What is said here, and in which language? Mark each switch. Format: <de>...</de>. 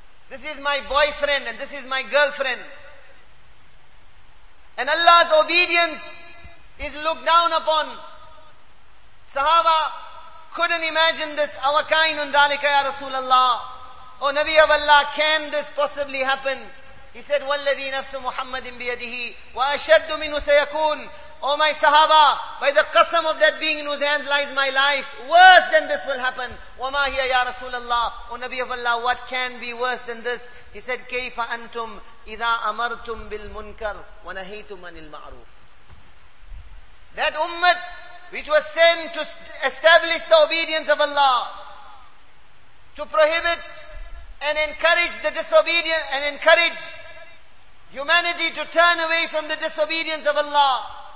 <en>This is my boyfriend and this is my girlfriend. And Allah's obedience is looked down upon. Sahaba couldn't imagine this.</en> <ar>Awakainun dalika ya Rasulallah.</ar> <en>O Nabi of Allah, can this possibly happen? He said,</en> <ar>وَالَّذِي نَفْسُ مُحَمَّدٍ بِيَدِهِ وَأَشَدُّ مِنْهُ سَيَكُونَ.</ar> <en>Oh my Sahaba, by the qasam of that being in whose hands lies my life, worse than this will happen.</en> <ar>وَمَا هِيَ يَا رَسُولَ اللَّهِ.</ar> <en>O Nabi of Allah, what can be worse than this? He said,</en> <ar>كَيْفَ أَنْتُمْ إِذَا أَمَرْتُمْ بِالْمُنْكَرِ وَنَهَيْتُمْ عَنِ الْمَعْرُوفِ.</ar> <en>That ummah which was sent to establish the obedience of Allah, to prohibit and encourage the disobedience, and encourage humanity to turn away from the disobedience of Allah.</en>